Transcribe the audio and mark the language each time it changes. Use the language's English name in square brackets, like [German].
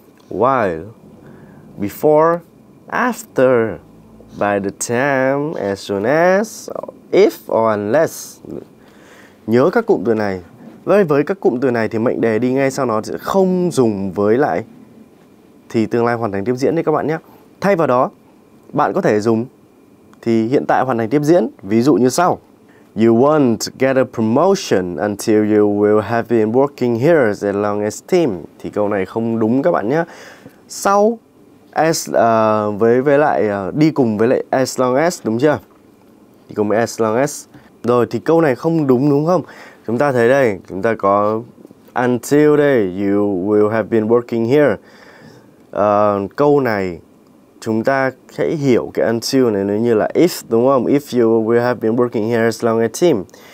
[English] While, before, after, by the time, as soon as, if or unless. Nhớ các cụm từ này. [Vietnamese] Với các cụm từ này thì mệnh đề đi ngay sau nó sẽ không dùng với lại thì tương lai hoàn thành tiếp diễn đấy các bạn nhé. Thay vào đó, bạn có thể dùng thì hiện tại hoàn thành tiếp diễn, ví dụ như sau. [English] You won't get a promotion until you will have been working here as long as team. [Vietnamese] Thì câu này không đúng các bạn nhé. Sau as với lại đi cùng với lại as long as, đúng chưa? Đi cùng với as long as. Rồi thì câu này không đúng đúng không? Chúng ta thấy đây, chúng ta có until đây, you will have been working here. Câu này chúng ta hãy hiểu cái until này nó như là if, đúng không? [English] If you will have been working here as long as team.